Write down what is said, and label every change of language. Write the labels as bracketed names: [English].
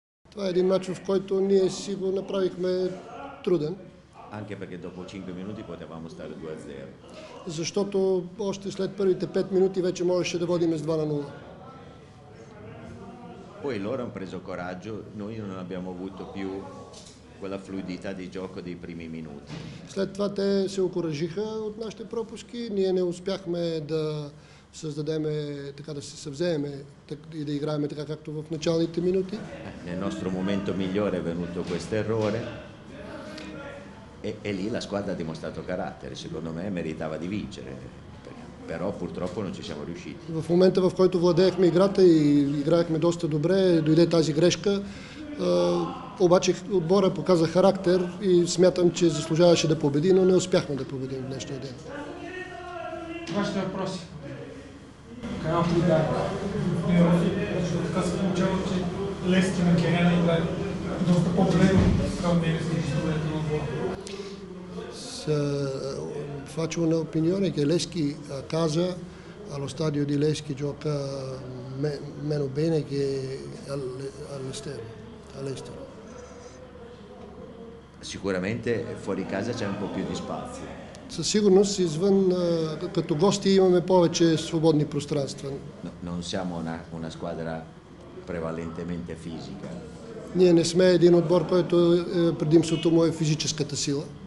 [Bulgarian] Това е един матч, в който ние си го направихме труден. [Italian] Anche perché dopo 5 minuti potevamo stare 2-0. [Bulgarian] Защото още след първите 5 минути вече можеше да водим с 2 на 0. [Italian] Poi loro hanno preso coraggio, noi non abbiamo avuto più quella fluidità di gioco dei primi minuti. [Bulgarian] След това те се окуражиха от нашите пропуски, ние не успяхме да създадеме така да се съвземе и да играем така както в началните минути. [Italian] Nel nostro momento migliore è venuto questo errore. E lì la squadra ha dimostrato carattere, secondo me meritava di vincere, però purtroppo non ci siamo riusciti. [Bulgarian] В момента, в който владеехме играта и играехме доста добре, дойде тази грешка. Обаче отбора показа характер и смятам, че заслужаваше да победи, но не успяхме да победим днешния ден. Това ще е въпрос. Канал Фуда. [Italian] Faccio un'opinione che Leschi a casa allo stadio di Leschi gioca meno bene che all'estero. Sicuramente fuori casa c'è un po' più di spazio. [Bulgarian] Със сигурност извън, като гости имаме повече свободни пространства. [Italian] Non siamo una squadra prevalentemente fisica. [Bulgarian] Ние не сме един отбор, който предимството му е физическата сила.